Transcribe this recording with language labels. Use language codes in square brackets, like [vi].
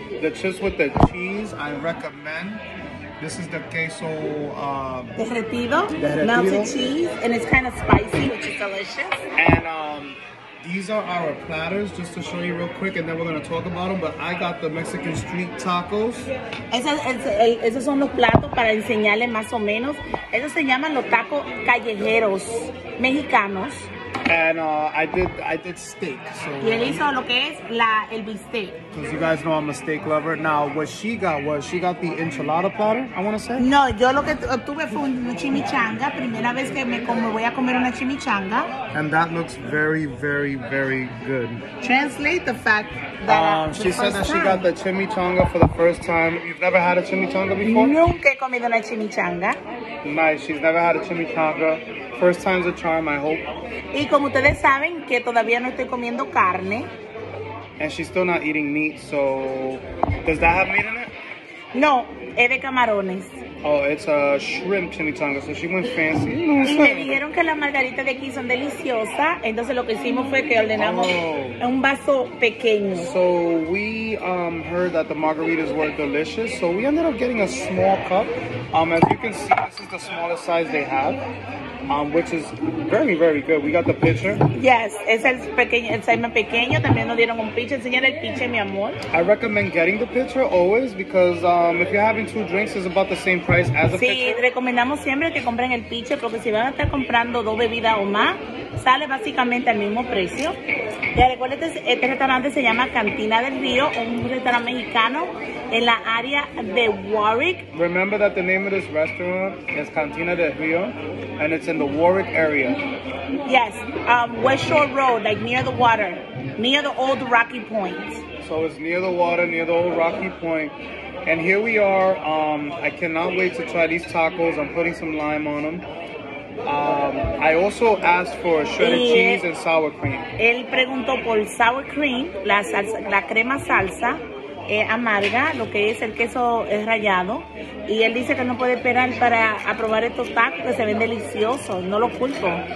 [en] The chips with the cheese, I recommend. This is the queso. Derretido, melted cheese, and it's kind of spicy, which is delicious. And these are our platters, just to show you real quick, and then we're going to talk about them. But I got the Mexican street tacos. [es] Esos son los platos para enseñarles más o menos. Esos se llaman los tacos callejeros mexicanos. [en] And I did steak. So, [es] y él hizo lo que es el bistec. [en] Because you guys know I'm a steak lover. Now, what she got was, she got the enchilada platter, I want to say. [es] No, yo lo que obtuve fue una chimichanga. Primera vez que me voy a comer una chimichanga. [en] And that looks very, very, very good. Translate the fact that she said that she got the chimichanga for the first time. You've never had a chimichanga before? [es] Nunca he comido una chimichanga. [en] Nice, she's never had a chimichanga. First time's a charm, I hope. [es] Y como ustedes saben que todavía no estoy comiendo carne. [en] And she's still not eating meat, so does that have meat in it? [es] No, es de camarones. [en] Oh, it's a shrimp chimichanga, so she went fancy. [es] Y me dijeron que las margaritas de aquí son deliciosas, entonces lo que hicimos fue que ordenamos un vaso pequeño. [en] So we heard that the margaritas were delicious, so we ended up getting a small cup. As you can see, this is the smallest size they have. Which is very, very good. We got the pitcher. [es] Yes, es el pequeño, el segment pequeño. También nos dieron un pitcher. Enseñale el pitcher, mi amor. [en] I recommend getting the pitcher always because if you're having two drinks, it's about the same price as a pitcher. [es] Sí, recomendamos siempre que compren el pitcher porque si van a estar comprando dos bebidas o más, sale básicamente al mismo precio. Y recuerden, este restaurante se llama Cantina del Río, un restaurante mexicano. En la área de Warwick. [en] Remember that the name of this restaurant is Cantina del Río, and it's in the Warwick area. Yes, West Shore Road, like near the water, near the old Rocky Point. So it's near the water, near the old Rocky Point. And here we are. I cannot wait to try these tacos. I'm putting some lime on them. I also asked for shredded cheese and sour cream. [es] Él preguntó por sour cream, la salsa, la crema salsa. Amarga, lo que es el queso es rallado, y él dice que no puede esperar para aprobar estos tacos que se ven deliciosos, no lo culpo.